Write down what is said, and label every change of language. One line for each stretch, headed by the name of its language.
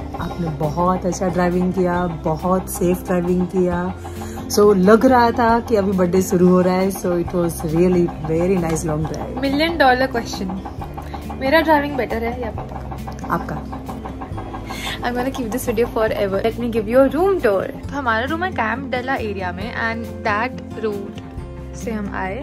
Hindi: आपने बहुत अच्छा ड्राइविंग किया, बहुत सेफ ड्राइविंग किया. सो लग रहा था कि अभी बर्थडे शुरू हो रहा है.
English: So it was really very nice long drive.
Hindi: Million dollar question, मेरा ड्राइविंग बेटर है या आपका?
English: I'm gonna keep this video forever. Let me give you a room tour.
Hindi: हमारा रूम है कैंप डेला एरिया में
English: and that
Hindi: रूट से हम आए.